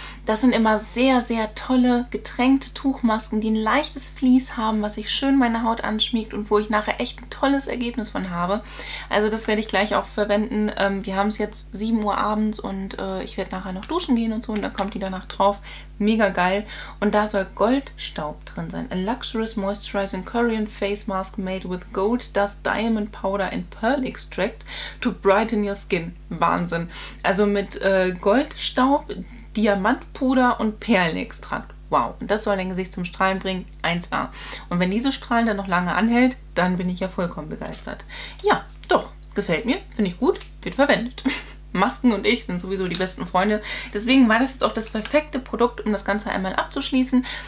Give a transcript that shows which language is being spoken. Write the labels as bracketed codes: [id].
[de] Das sind immer sehr, sehr tolle getränkte Tuchmasken, die ein leichtes Vlies haben, was sich schön meine Haut anschmiegt und wo ich nachher echt ein tolles Ergebnis von habe. Also das werde ich gleich auch verwenden. Wir haben es jetzt 7 Uhr abends und ich werde nachher noch duschen gehen und so und dann kommt die danach drauf. Mega geil. Und da soll Goldstaub drin sein. [en] A luxurious moisturizing Korean face mask made with gold dust diamond powder and pearl extract to brighten your skin. [de] Wahnsinn. Also mit Goldstaub, Diamantpuder und Perlenextrakt. Wow. Und das soll dein Gesicht zum Strahlen bringen. 1A. Und wenn diese Strahlen dann noch lange anhält, dann bin ich ja vollkommen begeistert. Ja, doch. Gefällt mir. Finde ich gut. Wird verwendet. Masken und ich sind sowieso die besten Freunde. Deswegen war das jetzt auch das perfekte Produkt, um das Ganze einmal abzuschließen.